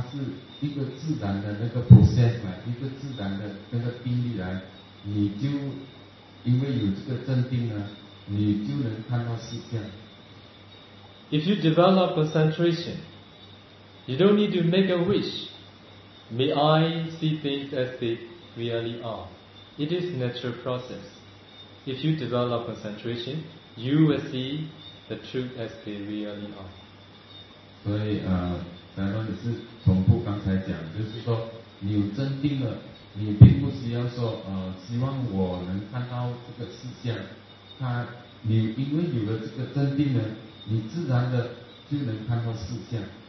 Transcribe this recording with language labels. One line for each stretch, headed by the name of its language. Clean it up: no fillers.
Chinese: 一个如果修了这个定力啊，有这个真定了，你并不需要说换个念佛，能看到事相，它是一个自然的那个 process 嘛，一个自然的那个定力来，你就因为有这个真定呢，你就能看到事相。
English: If you develop concentration, you don't need to make a wish. May I see things as they really are. It is natural process. If you develop concentration, you will see the truth as they really are.
Chinese: 所以，咱们是重复刚才讲，就是说，你有真定了，你并不需要说，希望我能看到这个事相。你因为有了这个真定了，你自然的就能看到事相。